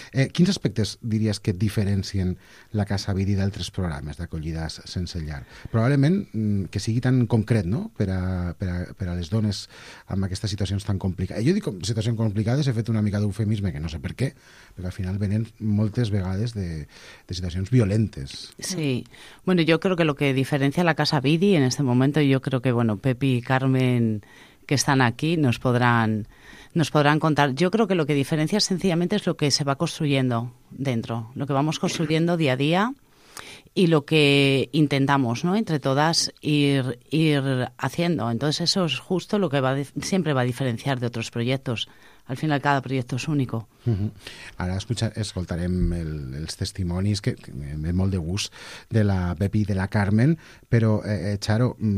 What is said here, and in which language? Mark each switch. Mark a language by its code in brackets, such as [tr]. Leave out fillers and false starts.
[ca] Quins aspectes diries que diferencien la Casa Avidi d'altres programes d'acollides sense llar? Probablement que sigui tan concret, no?, per a les dones amb aquestes situacions tan complicades. Jo dic situacions complicades, he fet una mica d'eufemisme, que no sé per què, perquè al final venen moltes vegades de situacions violentes. [es] Sí, bueno, yo creo que lo que diferencia la Casa Avidi en este momento, yo creo que, bueno, Pepi y Carmen... que están aquí, nos podrán contar. Yo creo que lo que diferencia sencillamente es lo que se va construyendo dentro, lo que vamos construyendo día a día y lo que intentamos, ¿no?, entre todas ir haciendo. Entonces eso es justo lo que siempre va a diferenciar de otros proyectos. Al final cada proyecto es único. Uh-huh. [ca] Ara escoltarem els testimonis, que me molt de gust, de la Pepi i de la Carmen, però, Charo...